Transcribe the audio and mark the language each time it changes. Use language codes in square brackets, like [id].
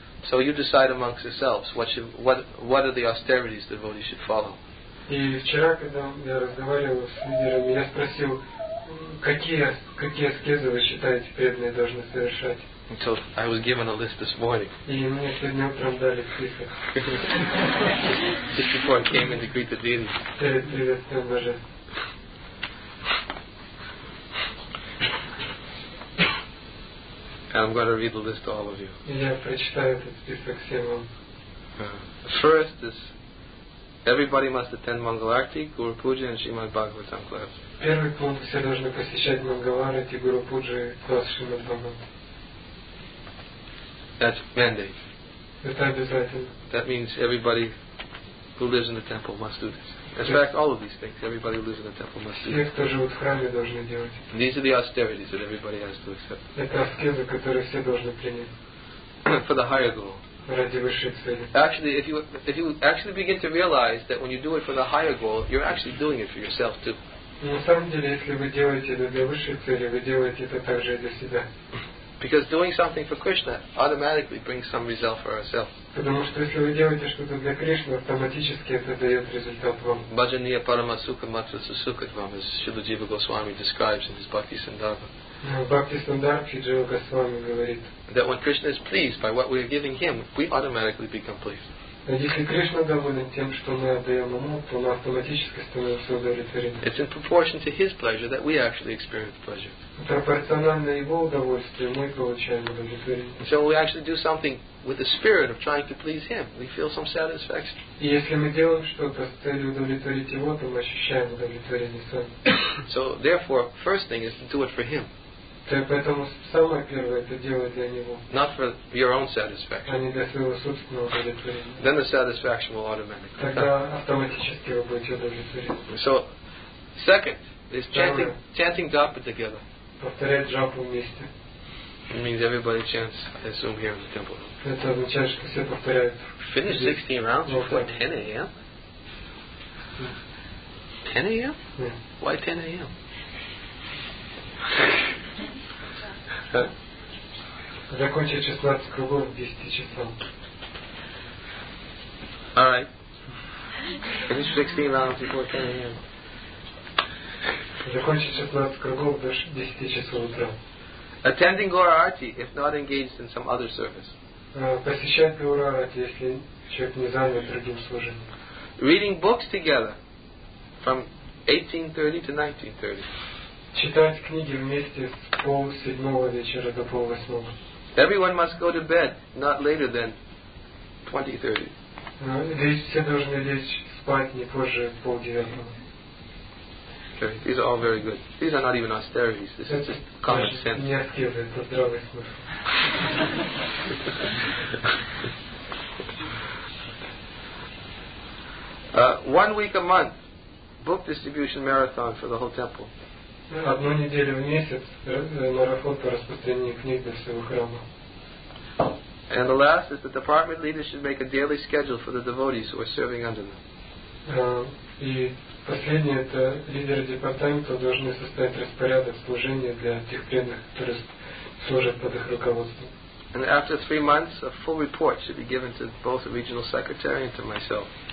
[en] So you decide amongst yourselves what are the austerities the devotee should follow. [ru] И вчера, когда я разговаривал с лидерами, я спросил, какие аскезы вы считаете преданные должны совершать. [en] So I was given a list this morning. [ru] И мне сегодня утром дали список. [en] Just before I came in to greet the deity. [ru] Перед приветствием даже. [en] And I'm going to read the list to all of you. [ru] Я прочитаю этот список всем вам. [en] First is everybody must attend Mangal Arati, Guru Puja, and Srimad Bhagavatam class. [ru] Первый пункт: все должны посещать Mangal Arati, Guru Puja, класс Шримад Бхагаватам. [en] That's mandate. [ru] Это обязательно. [en] That means everybody who lives in the temple must do this. In fact, all of these things, everybody who lives in the temple must do. [ru] Все, кто живут в храме, должны делать. [en] These are the austerities that everybody has to accept. [ru] Это аскезы, которые все должны принять. [en] For the higher goal. [ru] Ради высшей цели. [en] Actually, if you actually begin to realize that when you do it for the higher goal, you're actually doing it for yourself too. [ru] На самом деле, если вы делаете это для высшей цели, вы делаете это также и для себя. [en] Because doing something for Krishna automatically brings some result for ourselves. [ru] Потому что если вы делаете что-то для Кришны, автоматически это дает результат вам. [sa] Bhajaniya paramasukha matrasa sukhatvam, [en] as Śrīla Jīva Gosvāmī describes in his Bhakti Sandarbha. [ru] Bhakti Sandarbha Jīva Gosvāmī говорит. [en] That when Krishna is pleased by what we are giving him, we automatically become pleased. [ru] Если Кришна доволен тем, что мы отдаем ему, то он автоматически становится удовлетворенным. [en] It's in proportion to his pleasure that we actually experience pleasure. [ru] Пропорционально его удовольствию мы получаем удовлетворение. [en] So we actually do something with the spirit of trying to please him. We feel some satisfaction. [ru] И если мы делаем что-то с целью удовлетворить его, то мы ощущаем удовлетворение сами. [en] So therefore, first thing is to do it for him. [ru] Поэтому самое первое это делать для него. [en] Not for your own satisfaction. [ru] А не для своего собственного удовлетворения. [en] Then the satisfaction will automatically. [ru] Тогда автоматически вы будете удовлетворены. [en] So, second is chanting japa together. [ru] Повторять джапу вместе. [en] It means everybody chants, I assume, here in the temple. [ru] Это означает, что все повторяют. [en] Finish 16 rounds before 10 a.m. 10 a.m. Yeah. Why 10 a.m. [ru] Закончить 16 кругов в 10 часов. [en] All right. Finish 16 rounds before 10 a.m. [ru] Закончить 16 кругов до 10 часов утра. [en] Attending Gaura Arati if not engaged in some other service. [ru] Посещать Gaura Arati, если человек не занят другим служением. [en] Reading books together from 18:30 to 19:30. [ru] Читать книги вместе с пол седьмого вечера до пол восьмого. [en] Everyone must go to bed not later than 20:30. [ru] Все должны лечь спать не позже пол девятого. [en] Okay, these are all very good. These are not even austerities. This is just common sense. [ru] Не аскезы, это здравый смысл. [en] One week a month, book distribution marathon for the whole temple. [ru] Одну неделю в месяц марафон по распространению книг для своего храма. [en] And the last is the department leader should make a daily schedule for the devotees who are serving under them. [ru] И последнее это лидеры департамента должны составить распорядок служения для тех преданных, которые служат под их руководством. [en] And after 3 months, a full report should be given to both the regional secretary and to myself.